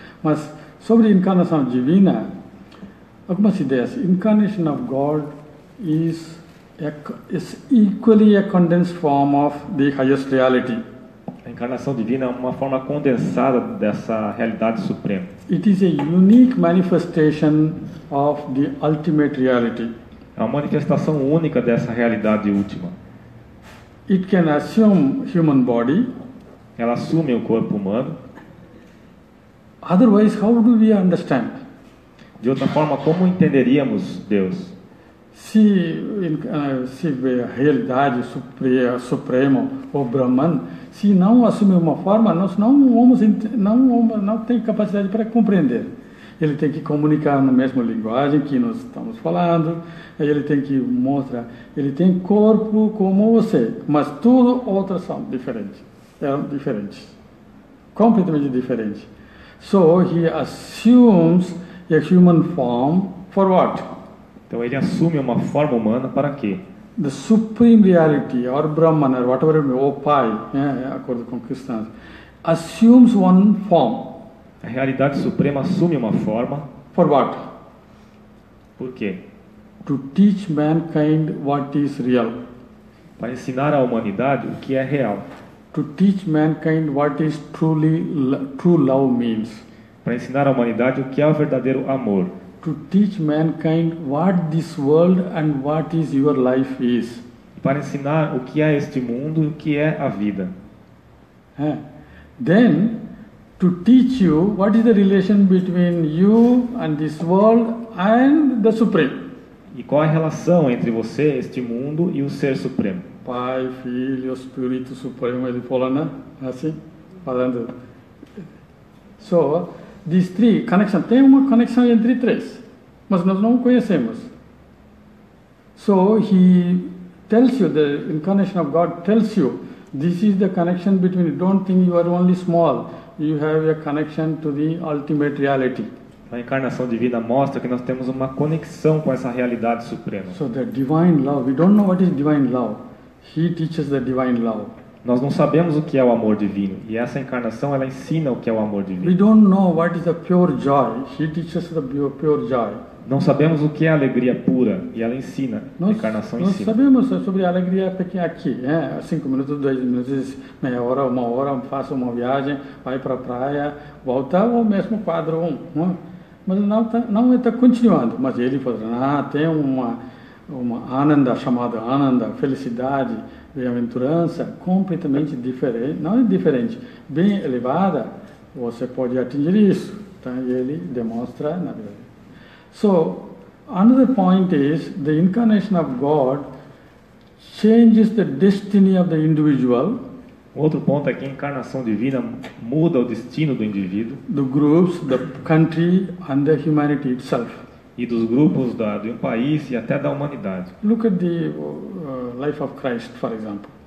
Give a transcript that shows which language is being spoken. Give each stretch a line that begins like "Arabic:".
Portuguese: Mas sobre encarnação divina, algumas ideias.
English: Incarnation of God is equally a condensed form of the highest reality.
Portuguese: A encarnação divina é uma forma condensada dessa realidade suprema.
English: It is a unique manifestation of the ultimate reality.
Portuguese: É uma manifestação única dessa realidade última.
English: It can assume human body.
Portuguese: Ela assume o corpo humano.
English: Otherwise, how do we understand?
Portuguese: De outra forma, como entenderíamos Deus? Se a realidade suprema, ou Brahman, se não assume uma forma, nós não tem capacidade para compreender. Ele tem que comunicar na mesma linguagem que nós estamos falando, ele tem que mostrar, ele tem corpo como você, mas tudo outras são diferentes. Eram diferentes, completamente diferentes.
English: So he assumes a human form for what?
Portuguese: Então ele assume uma forma humana para quê?
English: The supreme reality, or Brahman, or whatever,
Portuguese: o Pai, acordo com cristãos,
English: assumes one form.
Portuguese: A realidade suprema assume uma forma.
English: For what?
Portuguese: Por quê?
English: To teach mankind what is real.
Portuguese: Para ensinar à humanidade o que é real.
English: To teach mankind what is truly true love means.
Portuguese: Para ensinar à humanidade o que é o verdadeiro amor.
English: To teach mankind what this world and what is your life is.
Portuguese: Para ensinar o que é este mundo e o que é a vida.
English: Then to teach you what is the relation between you and this world and the supreme.
Portuguese: E qual é a relação entre você, este mundo e o ser supremo? Pai, Filho, Espírito Supremo, ele falou, né? Assim, falando.
English: So, these three,
Portuguese: conexão, tem uma conexão entre três, mas nós não conhecemos.
English: So, he tells you, the incarnation of God tells you, this is the connection between, don't think you are only small, you have a connection to the ultimate reality.
Portuguese: A encarnação divina mostra que nós temos uma conexão com essa realidade suprema.
English: So, the divine love, we don't know what is divine love. He teaches the divine love.
Portuguese: Nós não sabemos o que é o amor divino e essa encarnação ela ensina o que é o amor divino.
English: We don't know what is the pure joy. He teaches the pure joy.
Portuguese: Não sabemos o que é a alegria pura e ela ensina. Nós, a encarnação nós ensina. Nós sabemos sobre a alegria pequena aqui, 5 minutos, 2 minutos, meia hora, uma hora, faça uma viagem, vai para a praia, volta ou mesmo quadro 1. Mas não está continuando. Mas ele fala, tem uma ananda, chamada ananda, felicidade, bem-aventurança, completamente diferente, não é diferente, bem elevada, você pode atingir isso. Então, ele demonstra, na verdade.
English: So, another point is, the incarnation of God changes the destiny of the individual.
Portuguese: Outro ponto é que a encarnação divina muda o destino do indivíduo,
English: the groups, the country and the humanity itself.
Portuguese: E dos grupos da, de um país e até da humanidade.
English: Look at the life of Christ, for example.